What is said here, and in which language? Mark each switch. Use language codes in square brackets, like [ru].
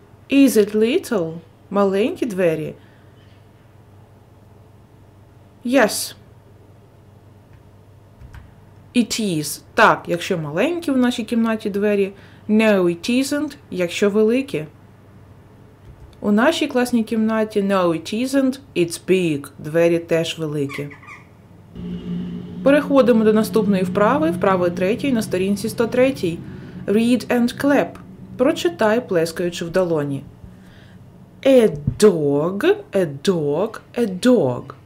[en] Is it little? [uk] Маленькі двері? [en] Yes. It is. [uk] Так, якщо маленькі в нашій кімнаті двері, [en] no, it isn't, [uk] якщо великі. У нашій класній кімнаті [en] no, it isn't, it's big. [uk] Двері теж великі. Переходимо до наступної вправи, вправи третій на сторінці 103. [en] Read and clap. [uk] Прочитай, плескаючи в долоні. [en] A dog, a dog, a dog.